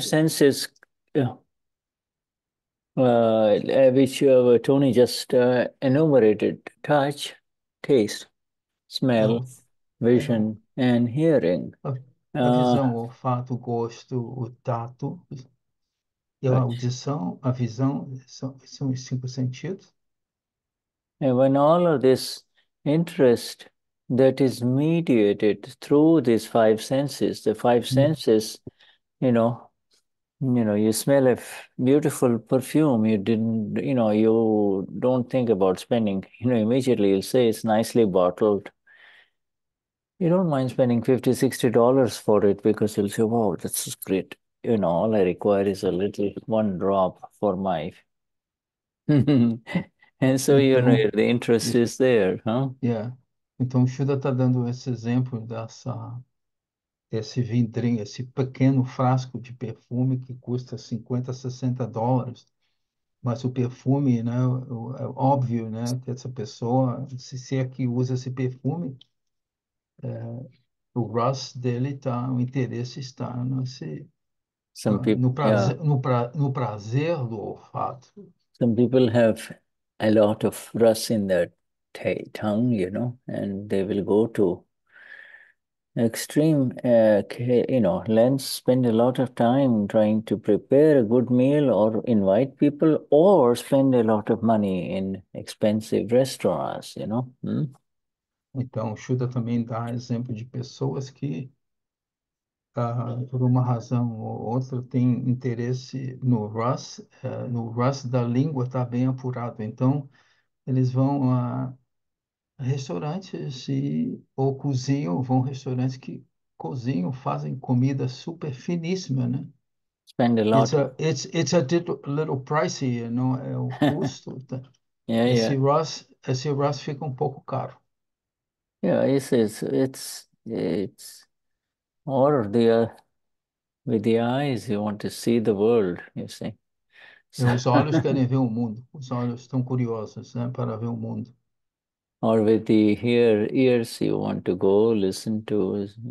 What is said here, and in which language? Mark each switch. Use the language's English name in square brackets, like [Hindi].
[English] senses, which Tony just enumerated: touch, taste, smell, vision, and hearing. [Portuguese] A visão, o olfato, o gosto, o tato e a audição, a visão, são os cinco sentidos. [English] And when all of this interest that is mediated through these five senses, the five senses, you smell a beautiful perfume, you didn't, you don't think about spending, immediately you'll say it's nicely bottled. You don't mind spending $50, $60 for it because you'll say, wow, this is great. All I require is a little one drop for my. And so, [Portuguese] Então, [English] the interest is there, huh? [Portuguese] então o Shuddha está dando esse exemplo desse vidrinho, esse pequeno frasco de perfume que custa 50, $60. Mas o perfume, né, é óbvio, né, que essa pessoa, se é que usa esse perfume, o Rus dele tá, o interesse está [English] Some people, yeah. [Portuguese] no prazer do olfato. [English] Some people have a lot of rust in their tongue, and they will go to extreme, lengths, spend a lot of time trying to prepare a good meal or invite people or spend a lot of money in expensive restaurants, [Portuguese] Então, Shuddha também dá exemplo de pessoas que, por uma razão ou outra, têm interesse no Rus da língua está bem apurado. Então, eles vão a restaurantes ou cozinham, vão a restaurantes que cozinham, fazem comida super finíssima, né? [English] Spend a lot. It's a little pricey, [Portuguese] não é o custo. Esse Rus fica um pouco caro. [English] It's or the with the eyes you want to see the world, you see. So, [Portuguese] Os olhos querem ver o mundo, os olhos estão curiosos, né, para ver o mundo. [English] or with the ears you want to go listen to.